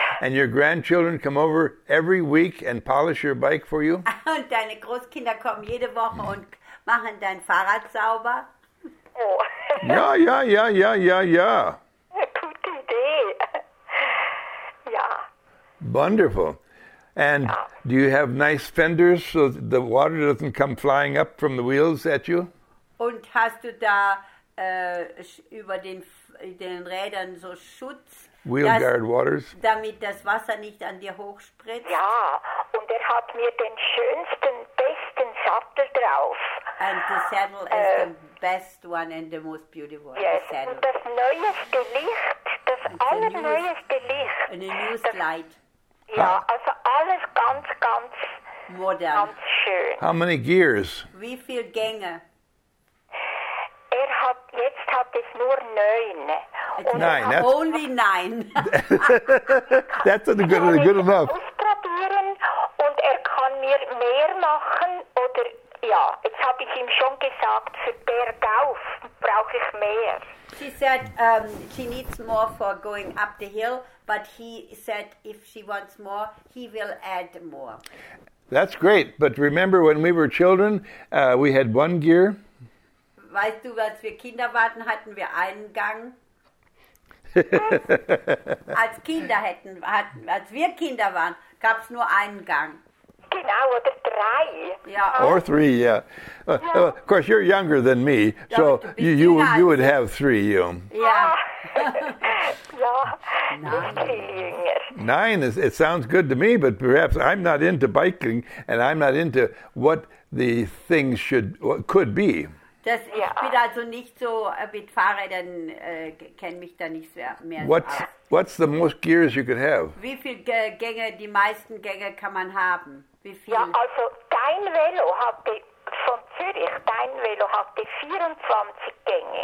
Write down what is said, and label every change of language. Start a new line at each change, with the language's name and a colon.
English: And your grandchildren come over every week and polish your bike for you?
German: Und deine Großkinder kommen jede Woche und machen dein Fahrrad sauber? Oh.
English: Yeah. Wonderful. And do you have nice fenders so the water doesn't come flying up from the wheels at you?
German: Und hast du da über den Rädern so Schutz?
English: Wheel guard waters?
German: Damit das Wasser nicht an dir hochspritzt. Ja, und hat mir den schönsten, besten Sattel drauf.
English: And the saddle is the best one and the most beautiful. Yes, the saddle.
German: Und das neueste Licht, das allerneueste Licht.
English: And the newest light.
German: Ja, also alles ganz, ganz modern. Ganz schön.
English: How many gears?
German: Wie viele Gänge? Jetzt hat es nur 9.
English: Nine. Und only 9. That's good enough.
German: Ich muss probieren und er kann mir mehr machen. Oder ja, jetzt habe ich ihm schon gesagt, für bergauf brauche ich mehr.
English: She said she needs more for going up the hill, but he said if she wants more, he will add more. That's great, but remember when we were children, we had one gear?
German: weißt du, als wir Kinder warten, hatten wir einen Gang. Als Kinder als wir Kinder waren, gab es nur einen Gang. Genau, oder drei. Ja.
English: Or three, yeah. Of course, you're younger than me,
German: doch,
English: so you would have three, you.
German: Ja. Ja.
English: Nine is, it sounds good to me, but perhaps I'm not into biking and I'm not into what the things should, what could be.
German: Das, ich bin also nicht so mit Fahrrädern, kenne mich da nicht mehr.
English: What's the most gears you could have?
German: Wie viele Gänge, die meisten Gänge kann man haben? Wie viel? Ja, also dein Velo hatte von Zürich, dein Velo hatte 24 Gänge.